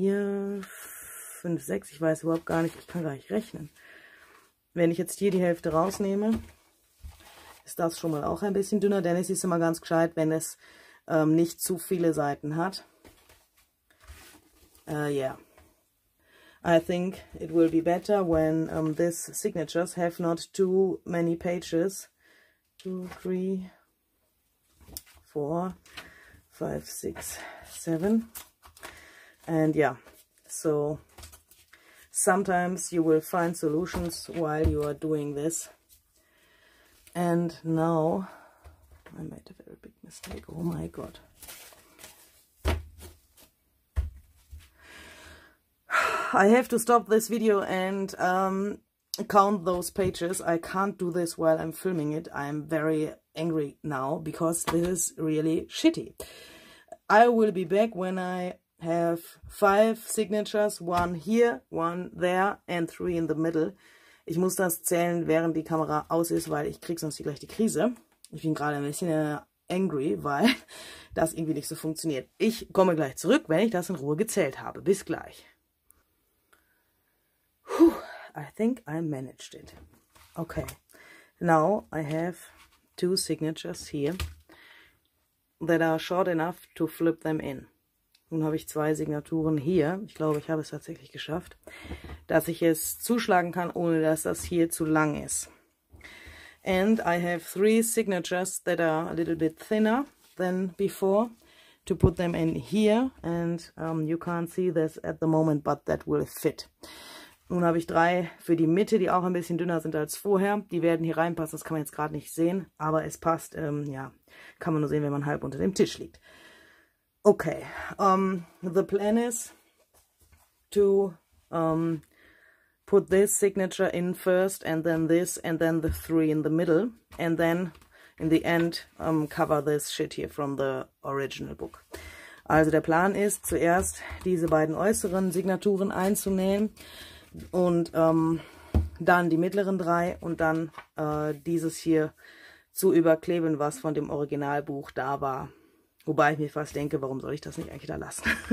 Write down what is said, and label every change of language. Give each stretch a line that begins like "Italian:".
German: 2, 3, 4, 5, 6. Ich weiß überhaupt gar nicht, ich kann gar nicht rechnen. Wenn ich jetzt hier die Hälfte rausnehme, ist das schon mal auch ein bisschen dünner. Denn es ist immer ganz gescheit, wenn es nicht zu viele Seiten hat.
English: Yeah. I think it will be better when these signatures have not too many pages. 2, 3, 4, 5, 6, 7. And yeah, so... Sometimes you will find solutions while you are doing this. And now I made a very big mistake. Oh my god. I have to stop this video and count those pages. I can't do this while I'm filming it. I'm very angry now because this is really shitty. I will be back when I have 5 signatures, 1 here, 1 there and 3 in the middle.
German: Ich muss das zählen, während die Kamera aus ist, weil ich krieg sonst hier gleich die Krise. Ich bin gerade ein bisschen
English: angry,
German: weil das irgendwie nicht so funktioniert. Ich komme gleich zurück, wenn ich das in Ruhe gezählt habe. Bis gleich.
English: Puh, I think I managed it. Okay, now I have 2 signatures here that are short enough to flip them in.
German: Nun habe ich 2 Signaturen hier. Ich glaube, ich habe es tatsächlich geschafft, dass ich es zuschlagen kann, ohne dass das hier zu lang ist.
English: And I have 3 signatures that are a little bit thinner than before. to put them in here, and you can't see this at the moment, but that will fit.
German: Nun habe ich drei für die Mitte, die auch ein bisschen dünner sind als vorher. Die werden hier reinpassen, das kann man jetzt gerade nicht sehen, aber es passt, ja, kann man nur sehen, wenn man halb unter dem Tisch liegt.
English: Okay, the plan is to put this signature in first, and then this, and then the three in the middle, and then in the end cover this shit here from the original book.
German: Also der Plan ist, zuerst diese beiden äußeren Signaturen einzunähen und dann die mittleren drei und dann dieses hier zu überkleben, was von dem Originalbuch da war. Wobei ich mir fast denke, warum soll ich das nicht eigentlich da lassen?